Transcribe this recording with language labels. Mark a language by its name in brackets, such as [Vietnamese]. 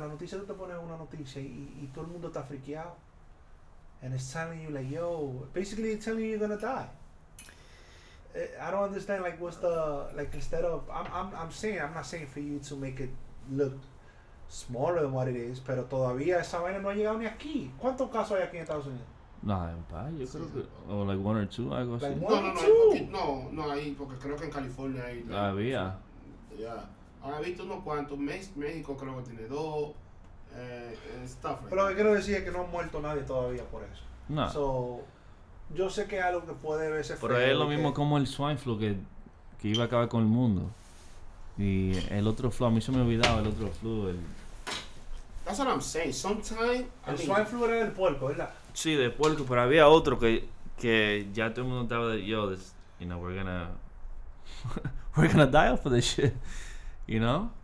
[Spanish] La noticia, tú te pones una noticia y todo el mundo está friqueado. [English] And it's telling you like, yo, basically it's telling you you're gonna die. I don't understand, like, what's the, like, instead of, I'm not saying for you to make it look smaller than what it is, [Spanish] pero todavía esa vaina no ha llegado ni aquí. ¿Cuántos casos hay aquí en Estados Unidos? No, hay un par, yo creo que, o [English] like one or two, [Spanish] algo así. No, ahí, porque creo que en California hay. Like, había. Ya, yeah. Ahora he visto unos cuantos, México creo que tiene dos, stuff. Pero lo que quiero decir es que no ha muerto nadie todavía por eso. No. So... Yo sé que es algo que puede verse feo. Pero es lo mismo como el swine flu que iba a acabar con el mundo. Y el otro flu, a mí se me olvidaba el otro flu. [English] That's what I'm saying. Sometimes. [Spanish] El swine flu era del puerco, ¿verdad? Sí, del puerco, pero había otro que ya todo el mundo estaba de. [English] Yo, this, you know, we're gonna die off of this shit. You know?